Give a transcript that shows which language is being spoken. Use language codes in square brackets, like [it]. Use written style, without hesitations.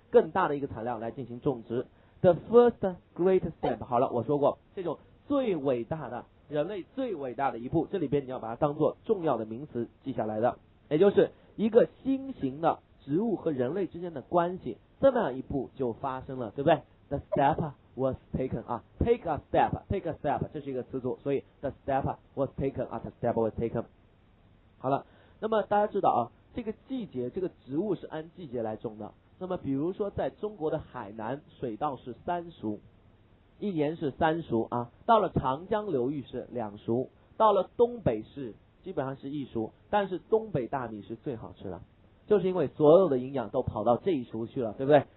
[zh] 更大的一个产量来进行种植。 [en] The first great step， [zh] 好了，我说过，这种最伟大的人类最伟大的一步，这里边你要把它当作重要的名词记下来的，也就是一个新型的植物和人类之间的关系，这么样一步就发生了，对不对？ [en] The step was taken 啊， take a step， take a step， [zh] 这是一个词组，所以 [en] the step was taken 啊， the step was taken。 [zh] 好了，那么大家知道啊，这个季节，这个植物是按季节来种的，那么比如说在中国的海南，水稻是三熟，一年是三熟啊，到了长江流域是两熟，到了东北是基本上是一熟，但是东北大米是最好吃的，就是因为所有的营养都跑到这一熟去了，对不对？